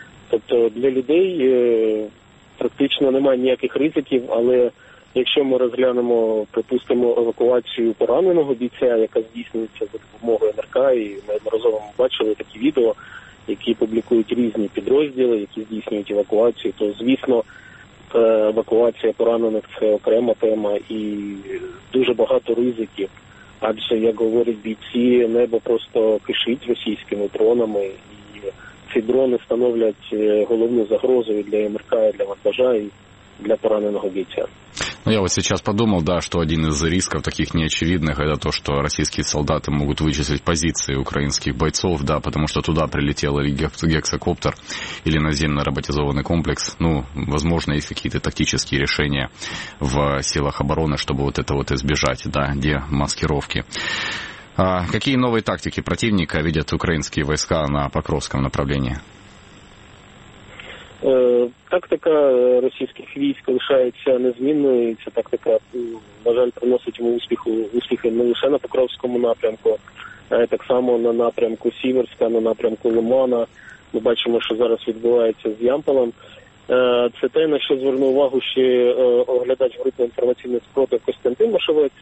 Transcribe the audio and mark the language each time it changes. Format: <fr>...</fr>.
<uk>Тобто для людей практично немає ніяких ризиків, але якщо ми розглянемо, припустимо, евакуацію пораненого бійця, яка здійснюється за допомогою НРК, і ми одноразово бачили такі відео, які публікують різні підрозділи, які здійснюють евакуацію, то, звісно, евакуація поранених – це окрема тема, і дуже багато ризиків. Адже, як говорять бійці, небо просто кишить російськими дронами, і ці дрони становлять головну загрозу і для МРК, і для вантажа, і для пораненого бійця.</uk> <ru>Ну, я вот сейчас подумал, да, что один из рисков таких неочевидных, это то, что российские солдаты могут вычислить позиции украинских бойцов, да, потому что туда прилетел или гексокоптер, или наземно роботизованный комплекс. Ну, возможно, есть какие-то тактические решения в силах обороны, чтобы вот это вот избежать, да, демаскировки. А какие новые тактики противника видят украинские войска на Покровском направлении?</ru> <uk>Тактика російських військ лишається незмінною. Ця тактика, на жаль, приносить йому успіхи не лише на Покровському напрямку, а й так само на напрямку Сіверська, на напрямку Лимана. Ми бачимо, що зараз відбувається з Ямполом. Це те, на що звернув увагу ще оглядач групи інформаційної спроби Костянтин Машовець.</uk>